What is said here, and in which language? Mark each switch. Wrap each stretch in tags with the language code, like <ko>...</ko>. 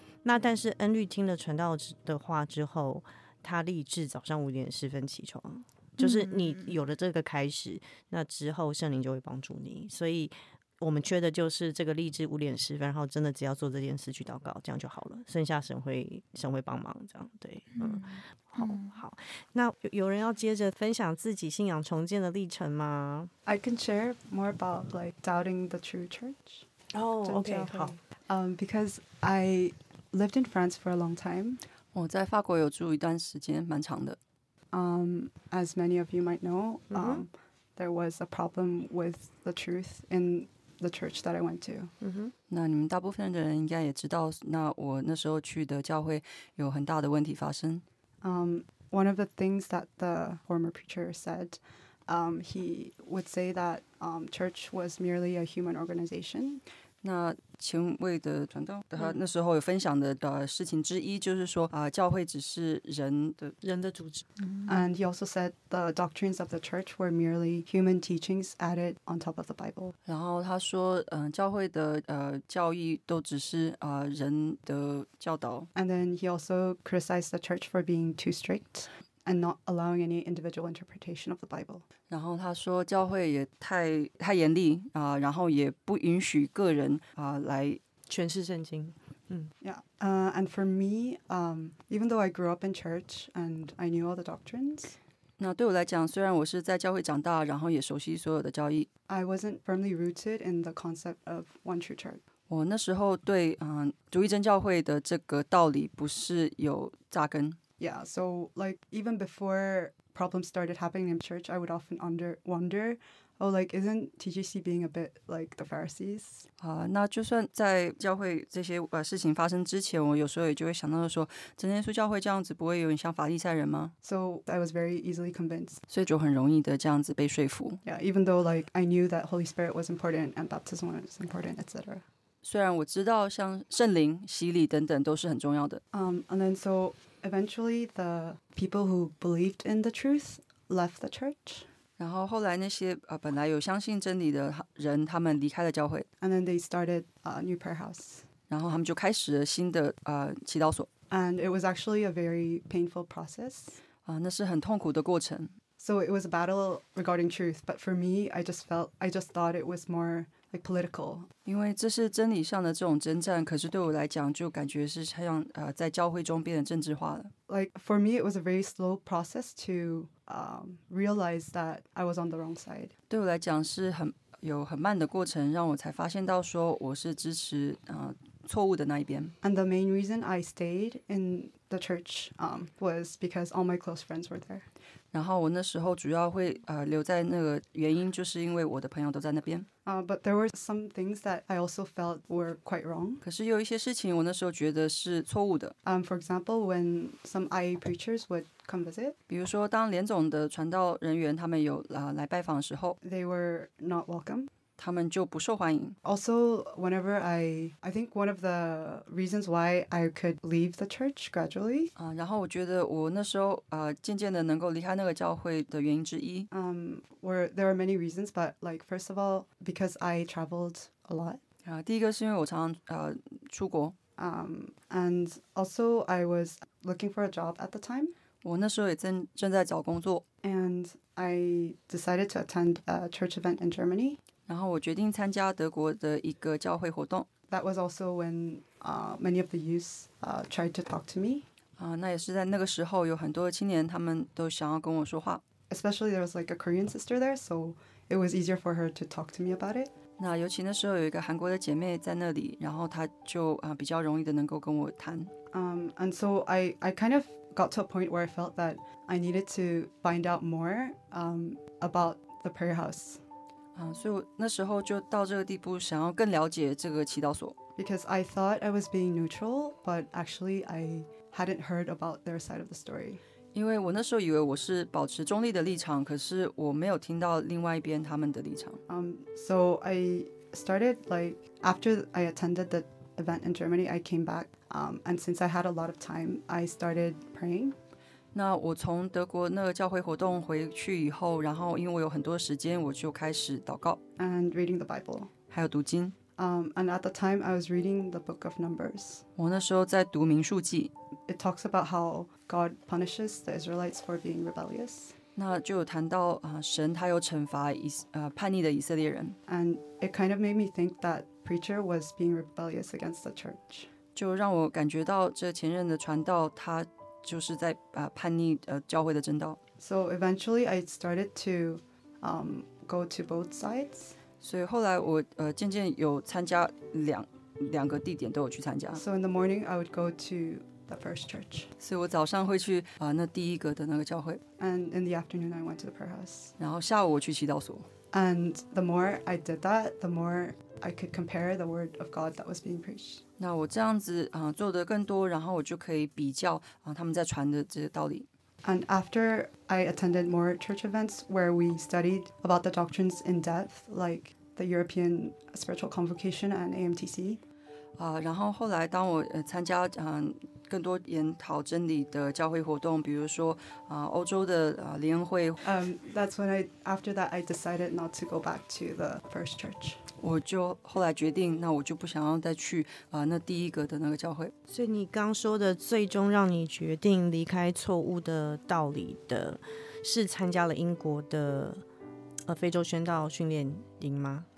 <zh>那但是恩律听了传道的话之后，他立志早上五点十分起床，就是你有了这个开始，那之后圣灵就会帮助你。所以我们缺的就是这个立志五点十分，然后真的只要做这件事去祷告，这样就好了，剩下神会帮忙，这样。对，嗯，好好。那 有人要接着分享自己信仰重建的历程吗？</zh> <en>I can share more about like doubting the true church. Oh, okay, 好。 Because I lived in France for a long time.</en> <zh>我在法国有住一段时间，蛮长的。</zh> <en>As many of you might know, there was a problem with the truth in the church that I went to.</en> <zh>那你们大部分的人应该也知道，那我那时候去的教会有很大的问题发生。</zh> <en>One of the things that the former preacher said, he would say that church was merely a human organization.</en> <zh>那前卫的传道他那时候有分享的事情之一就是说教会只是人的组织。</zh> <en>And he also said the doctrines of the church were merely human teachings added on top of the Bible.</en> <zh>然后他说教会的教义都只是人的教导。</zh> <en>And then he also criticized the church for being too strict and not allowing any individual interpretation of the Bible.</en> <zh>然后他说教会也太严厉然后也不允许个人来诠释圣经。</zh> <en>And for me, even though I grew up in church and I knew all the doctrines,</en> <zh>那对我来讲，虽然我是在教会长大，然后也熟悉所有的教义，</zh> <en>I wasn't firmly rooted in the concept of one true church.</en> <zh>我那时候对独一真教会的这个道理不是有扎根。</zh> <en>Yeah, so like even before problems started happening in church, I would often wonder, oh, like isn't TGC being a bit like the Pharisees?</en> <zh>那就算在教会这些事情发生之前，我有时候也就会想到说，真耶稣教会这样子不会有点像法利赛人吗？</zh> <en>So I was very easily convinced.</en> <zh>所以就很容易的这样子被说服。</zh> <en>Yeah, even though like I knew that Holy Spirit was important and baptism was important, etc.</en> <zh>虽然我知道像圣灵洗礼等等都是很重要的。</zh> <en>And then so eventually the people who believed in the truth left the church.</en> <zh>然后后来那些本来有相信真理的人他们离开了教会。</zh> <en>And then they started a new prayer house.</en> <zh>然后他们就开始了新的祈祷所。</zh> <en>And it was actually a very painful process.</en> <zh>那是很痛苦的过程。</zh> <en>So it was a battle regarding truth, but for me, I just thought it was more... Like、political.</en> <zh>因为这是真理上的这种征战，可是对我来讲就感觉是像在教会中变得政治化了。</zh> <en>Like for me, it was a very slow process to realize that I was on the wrong side.</en> <zh>对我来讲是很慢的过程，让我才发现到说我是支持错误的那一边。</zh> <en>And the main reason I stayed in the church was because all my close friends were there.</en> <zh>然后我那时候主要会留在那个原因，就是因为我的朋友都在那边。</zh> <en>But there were some things that I also felt were quite wrong.</en> <zh>可是有一些事情我那时候觉得是错误的。</zh> <en>For example, when some IA preachers would come visit.</en> <zh>比如说当连总的传道人员他们有来拜访的时候。</zh> <en>They were not welcome.</en> <zh>他们就不受欢迎。</zh> <en>Also, whenever I think one of the reasons why I could leave the church gradually.</en> <zh>然后我觉得我那时候渐渐的能够离开那个教会的原因之一。</zh> <en>There are many reasons, but like first of all, because I traveled a lot.</en> <zh>第一个是因为我常出国。</zh> <en>And also I was looking for a job at the time.</en> <zh>我那时候也正在找工作。</zh> <en>And I decided to attend a church event in Germany.</en> <zh>然后我决定参加德国的一个教会活动。</zh> <en>That was also when many of the youth tried to talk to me.</en> <zh>那也是在那个时候，有很多青年他们都想要跟我说话。</zh> <en>Especially there was like a Korean sister there, so it was easier for her to talk to me about it.</en> <zh>那尤其那时候有一个韩国的姐妹在那里，然后她就比较容易的能够跟我谈。</zh> <en>And so I kind of got to a point where I felt that I needed to find out more about the prayer house.</en> <zh>所以那时候就到这个地步想要更了解这个祈祷所。</zh> <en>Because I thought I was being neutral, but actually I hadn't heard about their side of the story.</en> <zh>因为我那时候以为我是保持中立的立场，可是我没有听到另外一边他们的立场。</zh> <en>So I started like, after I attended the event in Germany, I came back, and since I had a lot of time, I started praying.</en> <zh>那我从德国那个教会活动回去以后，然后因为我有很多时间，我就开始祷告</zh> <en>and reading the Bible，</en> <zh>还有读经。</zh> <en>And at the time, I was reading the Book of Numbers.</en> <zh>我那时候在读民数记。</zh> <en>It talks about how God punishes the Israelites for being rebellious.</en> <zh>那就有谈到、神他有惩罚叛逆的以色列人。</zh> <en>And it kind of made me think that preacher was being rebellious against the church.</en> <zh>就让我感觉到这前任的传道他就是在、叛逆、教会的正道。</zh> <en>So eventually, I started to、go to both sides.</en> <zh>所以后来我、渐渐有参加 两个地点都有去参加。</zh> <en>So in the morning I would go to the first church.</en> <zh>所以我早上会去、那第一个的那个教会。</zh> <en>And in the afternoon I went to the prayer house.</en> <zh>然后下午我去祈祷所。</zh> <en>And the more I did that, the more I could compare the word of God that was being preached.</en> <zh>那我这样子、做得更多，然后我就可以比较、他们在传的这些道理。</zh> <en>And after I attended more church events where we studied about the doctrines in depth, like the European Spiritual Convocation and AMTC.</en> <zh>然后后来当我、参加、更多研讨真理的教会活动，比如说、欧洲的、联恩会。</zh> <en>That's when I, after that, I decided not to go back to the first church.</en> <zh>我就后来决定，那我就不想要再去、那第一个的那个教会。所以你刚说的最终让你决定离开错误的道理的，是参加了英国的、非洲宣道训练营吗？</zh>